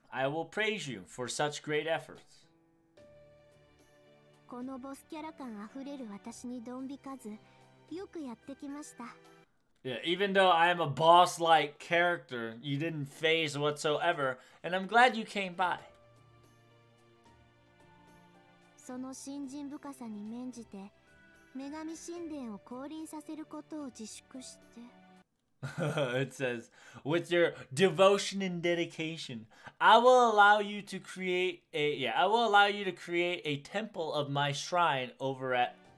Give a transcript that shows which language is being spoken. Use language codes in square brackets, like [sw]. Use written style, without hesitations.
[en] I will praise you for such great efforts. [ja] このボスキャラ感あふれる私にどん引かず、よくやってきました。 [en] Yeah, even though I am a boss-like character, you didn't phase whatsoever, and I'm glad you came by. [ja] その信心深さに免じて、女神神殿を降臨させることを自粛して。 [en] It says, with your devotion and dedication, I will allow you to create a, I will allow you to create a temple of my shrine over at...